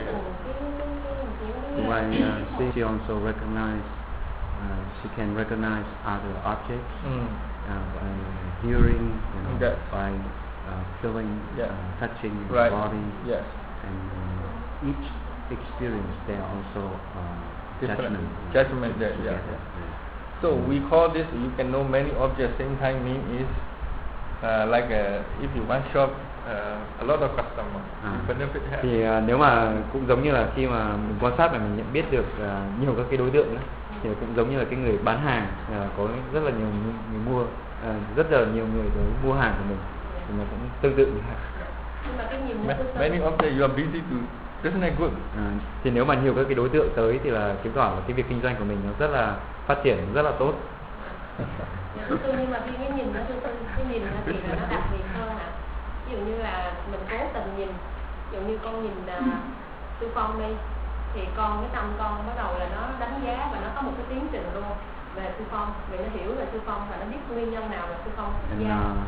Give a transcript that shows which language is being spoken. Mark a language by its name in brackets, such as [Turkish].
[English] Why she also recognize, she can recognize other objects by hearing, you know, by feeling, touching the body, and each experience there also judgment. Judgment there, together. So we call this, you can know many objects same time, mean is like if you want shop. A lot of customers. [Vietnamese] Thì nếu mà cũng giống như là khi mà mình quan sát và mình nhận biết được nhiều các cái đối tượng đó, thì cũng giống như là cái người bán hàng có rất là nhiều người mua, rất là nhiều người tới mua hàng của mình, thì nó cũng tương tự. [English] Many of them you are busy to business good. [Vietnamese] Thì nếu mà nhiều các cái đối tượng tới thì là chứng tỏ là cái việc kinh doanh của mình nó rất là phát triển, rất là tốt. Nhưng mà khi cái nhìn nó thì nó đặc biệt hơn ạ. Ví dụ như là mình cố tình nhìn, ví dụ như con nhìn sư Phong đi, thì con cái tâm con bắt đầu là nó đánh giá và nó có một cái tiến trình luôn về sư Phong, vì nó hiểu về sư Phong và nó biết nguyên nhân nào là sư Phong xuất gia.